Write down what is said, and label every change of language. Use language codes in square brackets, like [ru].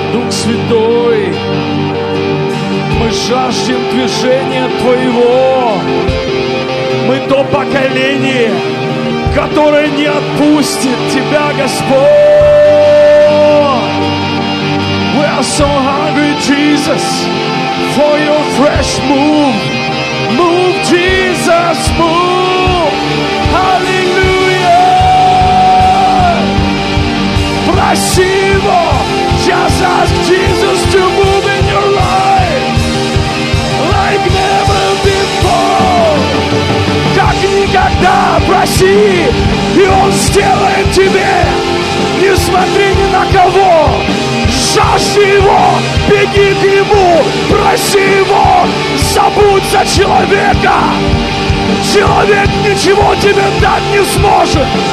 [ru] Святой, мы жаждем движения Твоего. Мы то поколение, которое не отпустит Тебя, Господь. [en] We are so hungry, Jesus, for Your fresh move. Move, Jesus, move. Hallelujah. [ru] Просим Его. [en] Just ask Jesus to move in your life like never before. [ru] Как никогда, проси, и Он сделает тебе. Не смотри ни на кого, жажди Его, беги к Нему, проси Его, забудь за человека. Человек ничего тебе дать не сможет.